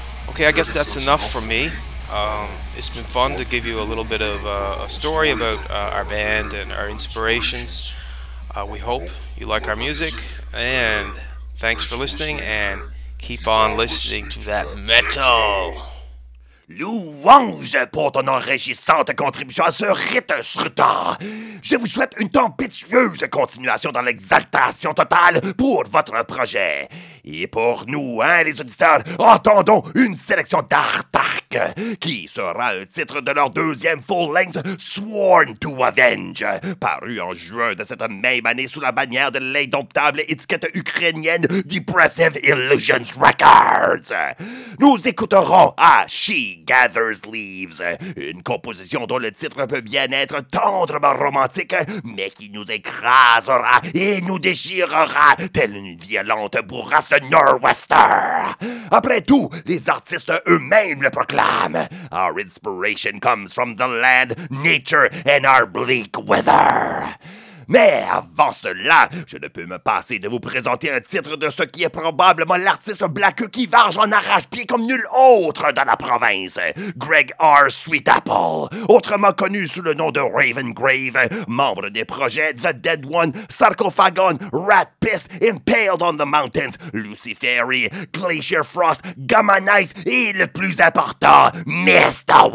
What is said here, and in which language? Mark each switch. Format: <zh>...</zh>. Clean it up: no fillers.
<en>Okay, I guess that's enough for me. It's been fun to give you a little bit of a story about our band and our inspirations. We hope you like our music, and thanks for listening, and keep on listening to that metal!</en> <fr>Louange pour ton enrichissante contribution à ce rite scrutin. Je vous souhaite une tempétueuse continuation dans l'exaltation totale pour votre projet. Et pour nous, hein, les auditeurs, entendons une sélection d'Artark, qui sera le titre de leur deuxième full-length Sworn to Avenge, paru en juin de cette même année sous la bannière de l'indomptable étiquette ukrainienne Depressive Illusions Records. Nous écouterons She Gathers Leaves, une composition dont le titre peut bien être tendrement romantique, mais qui nous écrasera et nous déchirera, telle une violente bourrasque de Norwester. Après tout, les artistes eux-mêmes le proclament.</fr> <en>Our inspiration comes from the land, nature, and our bleak weather.</en> <fr>Mais avant cela, je ne peux me passer de vous présenter un titre de ce qui est probablement l'artiste black qui varge en arrache-pied comme nul autre dans la province, Greg R. Sweetapple, autrement connu sous le nom de Raven Grave, membre des projets The Dead One, Sarcophagon, Rat Piss, Impaled on the Mountains, Lucifery, Glacier Frost, Gamma Knife et le plus important, Mr.</fr>